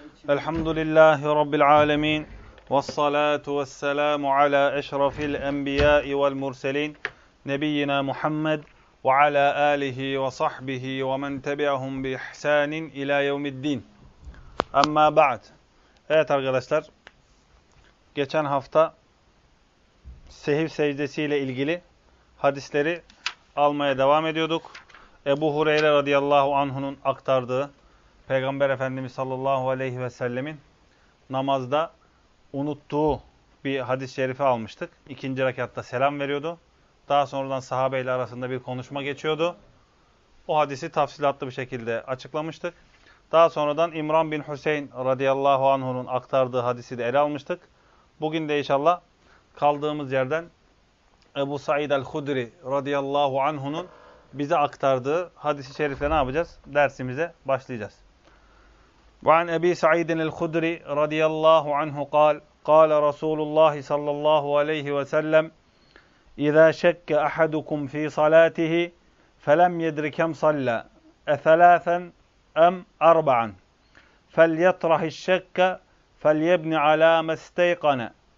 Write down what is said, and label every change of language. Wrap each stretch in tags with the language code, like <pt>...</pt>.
<ar>الحمد لله رب العالمين والصلاة والسلام على أشرف الأنبياء والمرسلين نبينا محمد وعلى آله وصحبه ومن تبعهم بإحسان إلى يوم الدين أما بعد.</ar> <tr>Evet arkadaşlar, geçen hafta sehiv secdesiyle ilgili hadisleri almaya devam ediyorduk. Ebu Hureyre radıyallahu anh'unun aktardığı Peygamber Efendimiz sallallahu aleyhi ve sellemin namazda unuttuğu bir hadis-i şerifi almıştık. İkinci rekatta selam veriyordu. Daha sonradan sahabeyle arasında bir konuşma geçiyordu. O hadisi tafsilatlı bir şekilde açıklamıştık. Daha sonradan İmran bin Hüseyin radıyallahu anh'unun aktardığı hadisi de ele almıştık. Bugün de inşallah kaldığımız yerden Ebu Said el-Hudri radıyallahu anh'unun bize aktardığı hadis-i şerifle ne yapacağız? Dersimize başlayacağız.</tr> <ar>وعن أبي سعيد الخدري رضي الله عنه قال قال رسول الله صلى الله عليه وسلم إذا شك أحدكم في صلاته فلم يدر كم صلى أثلاثا أم أربعا فليطرح الشك فليبني على ما استيقن</ar>